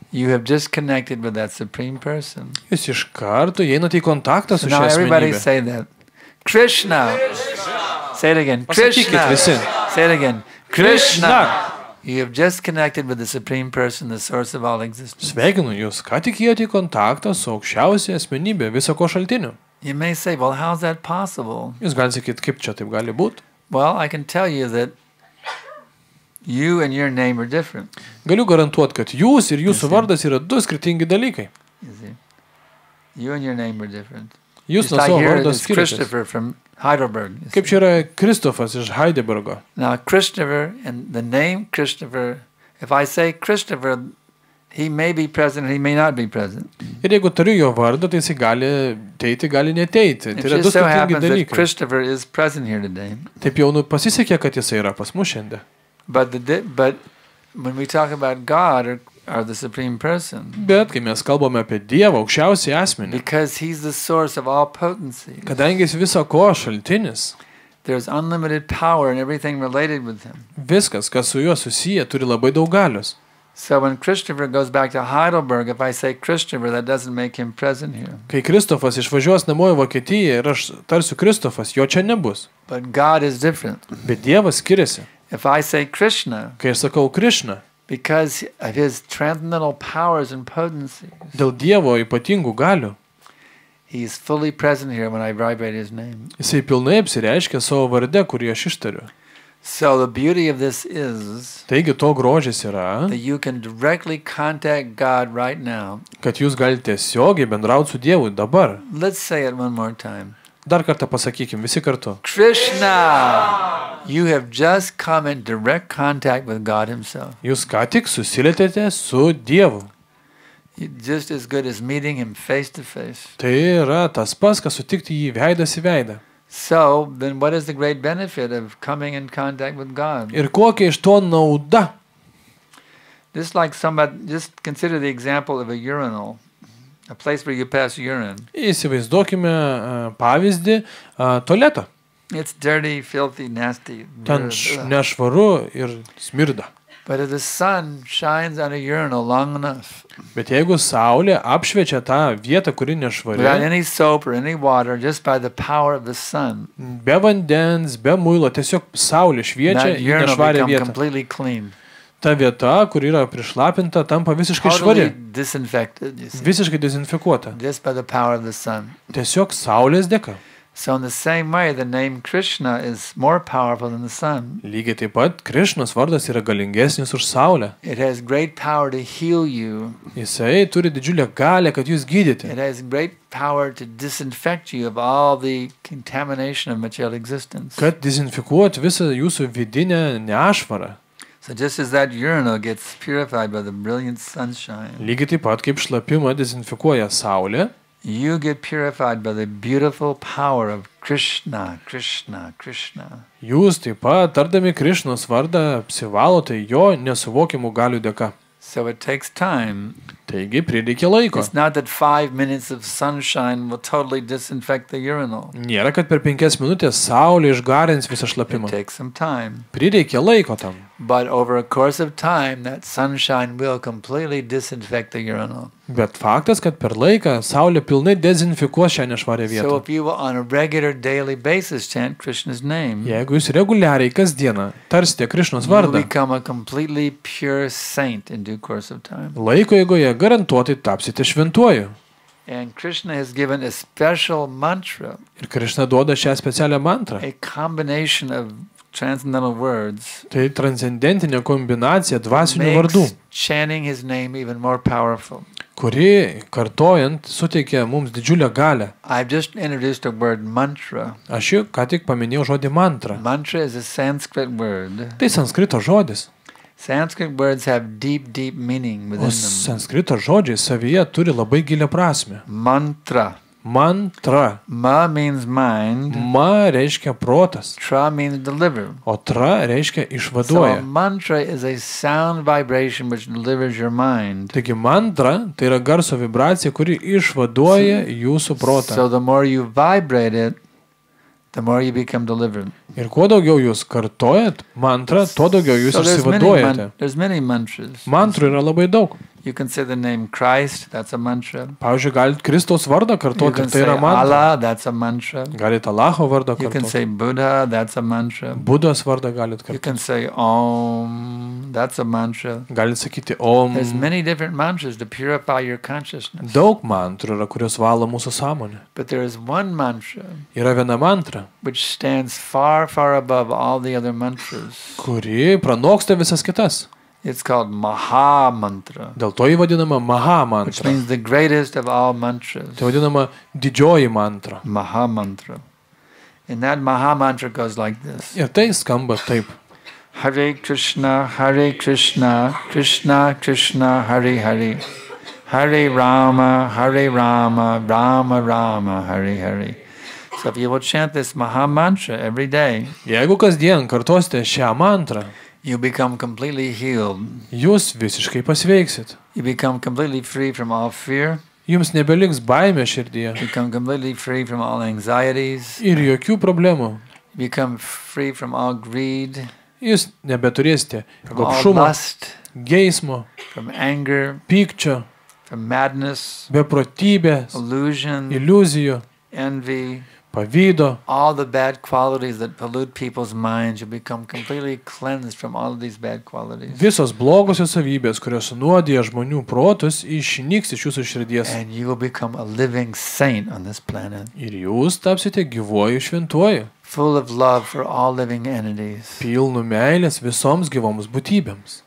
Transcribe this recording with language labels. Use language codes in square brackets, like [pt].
[en] You have just connected with that supreme person. [lt] Jūs iš karto įeinate į kontaktą su šia asmenybe. [en] Now everybody say that. Krishna. Say it again. Krishna. Say it again. Krishna. You have just connected with the supreme person, the source of all existence. [lt] Sveikinu jūs, ką tik įėjote į kontaktą su aukščiausia asmenybe, viso ko šaltiniu. [en] You may say, well, how's that possible? [lt] Jūs galite sakyti, kaip čia taip gali būti? [en] Well, I can tell you that you and your name are different. [lt] Galiu garantuoti, kad jūs ir jūsų vardas yra du skirtingi dalykai. [en] You and your name are different. [lt] Jūs nuo savo vardo skiriatės. Heidelberg. Kaip čia yra Kristofas iš Heidelbergo? [en] Now Christopher and the name Christopher, if I say Christopher, he may be present, he may not be present. [lt] Ir jeigu turiu jo vardą, tai jis gali teiti, gali neteiti. Tai yra du skirtingi dalykai. [en] Christopher is present here today. [lt] Taip jau pasisekė, kad jis yra pas mus šiandien. [en] But when we talk about God or the supreme person. [lt] Bet kai mes kalbame apie Dievą, aukščiausią asmenį. [en] Because he's the source of all potency. [lt] Kadangi jis viso ko šaltinis. [en] There's unlimited power in everything related with him. [lt] Viskas, kas su juo susiję, turi labai daug galios. [en] So when Christopher goes back to Heidelberg, if I say Christopher, that doesn't make him present here. [lt] Kai Kristofas išvažiuos namo į Vokietiją ir aš tarsiu Kristofas, jo čia nebus. [en] But God is different. [lt] Bet Dievas skiriasi. [en] If I say Krishna. [lt] Kai aš sakau Krishna. [en] Because of his transcendental powers and potency. [lt] Dėl Dievo ypatingų galių. [en] He is fully present here when I vibrate his name. [lt] Jisai pilnai apsireiškia savo varde, kurį aš ištariu. [en] So the beauty of this is. [lt] Taigi to grožis yra. [en] That you can directly contact God right now. [lt] Kad jūs galite tiesiogiai bendrauti su Dievu dabar. [en] Let's say it one more time. [lt] Dar kartą pasakykim visi kartu. [en] Krishna. You have just come in direct contact with God himself. [lt] Jūs ką tik susilietėte su Dievu. [en] Just as good as meeting him face to face. [lt] Tai yra tas pats, kas sutikti jį veidas į veidą. [en] So, then what is the great benefit of coming in contact with God? [lt] Ir kokia iš to nauda? [en] Just like somebody, just consider the example of a urinal. A place where you pass urine. [lt] Įsivaizduokime pavyzdį tualeto. [en] It's dirty, filthy, nasty. [lt] Ten nešvaru ir smirda. [en] But if the sun shines on a urinal long enough. [lt] Bet jeigu saulė apšviečia tą vietą, kuri nešvari. [en] Without any soap or any water, just by the power of the sun. [lt] Be vandens, be muilo, tiesiog saulė šviečia į nešvarią vietą. [en] Completely clean. [lt] Ta vieta, kur yra prišlapinta, tampa visiškai [en] totally [lt] švari. Visiškai dezinfekuota. [en] Just by the power of the sun. [lt] Tiesiog saulės dėka. [en] So in the same way the name Krishna is more powerful than the sun. [lt] Lygiai taip pat Krishnos vardas yra galingesnis už saulę. [en] It has great power to heal you. [lt] Jisai turi didžiulę galę, kad jūs gydyti. [en] It has great power to disinfect you of all the contamination of material existence. [lt] Kad dezinfekuot visą jūsų vidinę nešvarą. [en] So just as that urinal gets purified by the brilliant sunshine. [lt] Lygiai taip pat kaip šlapimą dezinfekuoja saulė. [en] You get purified by the beautiful power of Krishna, Krishna, Krishna. [lt] Jūs taip pat, tardami Krishnos vardą, apsivalote jo nesuvokimų galių dėka. [en] So it takes time. [lt] Taigi prireikia laiko. [en] It's not that 5 minutes of sunshine will totally disinfect the urinal. [lt] Nėra, kad per 5 minutės saulė išgarins visą šlapimą. [en] It takes some time. [lt] Prireikia laiko tam. [en] But over a course of time that sunshine will completely disinfect the urinal. [lt] Bet faktas, kad per laiką saulė pilnai dezinfikuos šią nešvarią vietą. [en] So if you will on a regular daily basis chant Krishna's name. [lt] Jeigu jūs reguliariai kasdieną tarsite Krishnos vardą. [en] You become a completely pure saint in due course of time. [lt] Laiko eigoje garantuotai tapsite šventuoju. [en] And Krishna has given a special mantra. [lt] Ir Krishna duoda šią specialią mantrą. [en] A combination of transcendental words. [lt] Tai transcendentinė kombinacija dvasinių vardų. [en] Chanting his name even more powerful. [lt] Kuri kartojant suteikia mums didžiulę galę. [en] I've just introduced a word mantra. [lt] Aš jau ką tik paminėjau žodį mantra. [en] Mantra is a Sanskrit word. [lt] Tai sanskrito žodis. [en] Sanskrit words have deep, deep meaning within them. [lt] O sanskrito žodžiai savyje turi labai gilią prasmę. [en] Mantra. [lt] Mantra. [en] Ma means mind. [lt] Ma reiškia protas. [en] Tra means deliver. [lt] O tra reiškia išvaduoja. [en] So mantra is a sound vibration which delivers your mind. [lt] Taigi mantra tai yra garso vibracija, kuri išvaduoja jūsų protą. [en] So the more you vibrate it, the more you become delivered. [lt] Ir kuo daugiau jūs kartojat mantra, tuo daugiau jūs išsivaduojate. [en] There's many mantras. [lt] Mantrų yra labai daug. [en] You can say the name Christ, that's a mantra. [lt] Pavyzdžiui, galit Kristaus vardą kartoti, tai yra mantra. [en] Allah, that's a mantra. [lt] Galit Allaho vardą kartoti. [en] You can say Buddha, that's a mantra. [lt] Budos vardą galit kartoti. [en] You can say Om, that's a mantra. [lt] Galit sakyti Om. [en] There's many different mantras to purify your consciousness. [lt] Daug mantrų yra, kurios valo mūsų sąmonę. [en] But there is one mantra. [lt] Yra viena mantra. [en] Which stands far, far above all the other mantras. [lt] Kuri pranoksta visas kitas. [en] It's called Maha Mantra. [lt] Dėl to jį vadinama Maha Mantra. [en] Which means the greatest of all mantras. [lt] Tai vadinama didžioji mantra. [en] Maha Mantra. And that Maha Mantra goes like this. [lt] Ir tai skamba taip. [sa] Hare Krishna, Hare Krishna, Krishna Krishna, Hare Hare. Hare Rama, Hare Rama, Rama Rama, Hare Hare. [en] So if you will chant this Maha Mantra every day. [lt] Jeigu kasdien kartosite šią mantrą. [en] You become completely healed. [lt] Jūs visiškai pasveiksit. [en] You become completely free from all fear. [lt] Jums nebeliks baimė širdyje. [en] You become completely free from all anxieties. [lt] Ir jokių problemų. [en] You become free from all greed. [lt] Jūs nebeturėsite gobšumo, geismo, [en] from anger, [lt] pykčio, [en] from madness, [lt] beprotybės, [en] illusion, [lt] iliuzijų, [en] envy, [lt] pavydo. [en] All the bad qualities that pollute people's minds will become completely cleansed from all of these bad qualities. [lt] Visos blogosios savybės, kurios nuodija žmonių protus, išnyks iš jūsų širdies. [en] And you will become a living saint on this planet. [lt] Ir jūs tapsite gyvuoju šventuoju. [en] Full of love for all living entities. [lt] Pilnu meilės visoms gyvoms būtybėms.